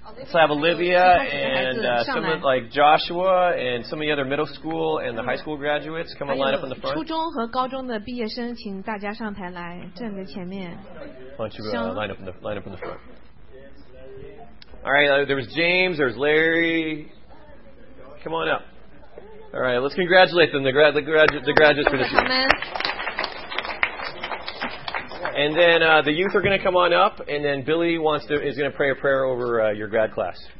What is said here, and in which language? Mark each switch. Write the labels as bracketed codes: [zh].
[en] So I have Olivia and some of like Joshua and some of the other middle school and the high school graduates. Come on, line up in the front. [zh] 初中和高中的毕业生，请大家上台来，站在前面。 [en] Why don't you line up in the front? All right, there was James, there was Larry. Come on up. All right, let's congratulate them, the graduates for this year. And then the youth are going to come on up, and then Billy is going to pray a prayer over your grad class.